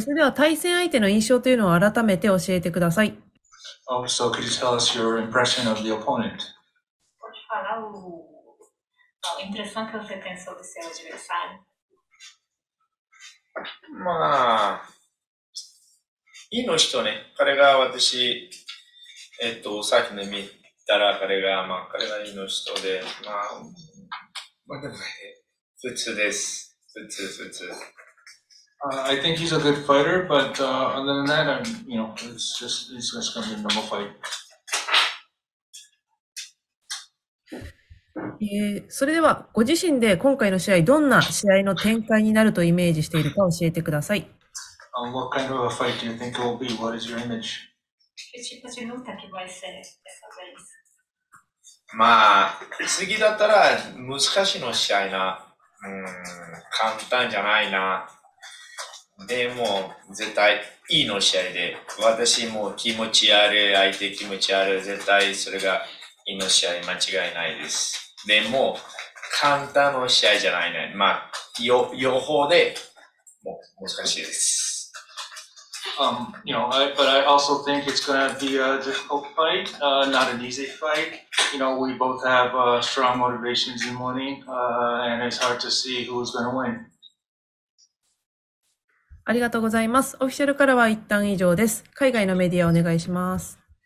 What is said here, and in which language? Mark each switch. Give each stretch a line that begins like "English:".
Japanese: それでは対戦相手の印象というのを改めて教えてください。
English: Oh, so could you tell us your impression of the opponent?
Portuguese: Pode falar a impressão que você tem sobre seu adversário?
Japanese: まあ、いいの人ね。彼が私、さっきの見たら彼が、まあ、彼がいいの人で、まあ、普通です。普通、普通。
English: I think he's a good fighter, but other than that, I'm, you know, it's just going to be a normal fight.
Japanese: それではご自身で今回の試合どんな試合の展開になるとイメージしているか教えてください。
English: What kind of a fight do you think it will be? What is your image?
Portuguese: Que tipo de luta que vai ser dessa vez?
Japanese: まあ、次だったら難しいの試合な。簡単じゃないな。でも絶対いいの試合で、私も気持ち悪い、相手気持ち悪い、絶対それがいいの試合間違いないです。でも簡単の試合じゃないね。まあ予報でもう難しいです。
English: You know, but I also think it's gonna be a difficult fight, not an easy fight. You know, we both have strong motivations in morning, and it's hard to see who's gonna win.
Japanese: ありがとうございます。オフィシャルからは一旦以上です。海外のメディアお願いします。